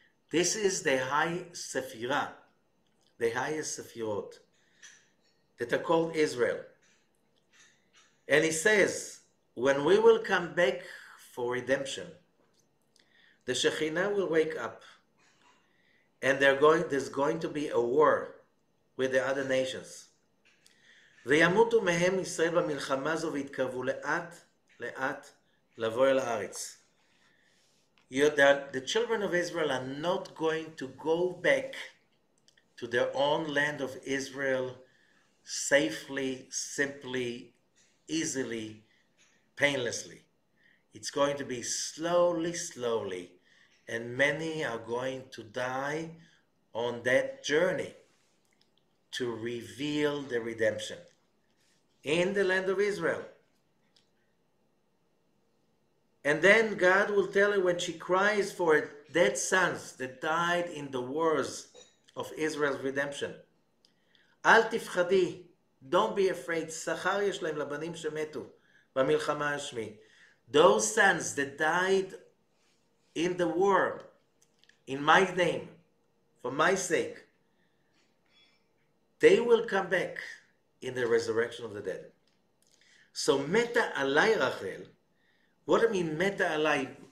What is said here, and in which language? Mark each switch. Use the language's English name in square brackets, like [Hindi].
[English] This is the high sephira, the highest sephirot, that are called Israel. And he says, when we will come back for redemption, the Shekhinah will wake up, and there's going to be a war with the other nations. [Hebrew] וימותו מהם ישראל במלחמה הזו והתקרבו לאט לאט לבוא אל הארץ. [English] The children of Israel are not going to go back to their own land of Israel safely, simply, easily, painlessly. It's going to be slowly, slowly, and many are going to die on that journey to reveal the redemption. In the land of Israel. And then God will tell her when she cries for her dead sons that died in the wars of Israel's redemption. [Hebrew] אל תפחדי, don't be afraid, שכר יש להם לבנים שמתו במלחמה השמית. [English] Those sons that died in the war, in my name, for my sake, they will come back in the resurrection of the dead. So meta alai Rachel, what do I mean meta alai?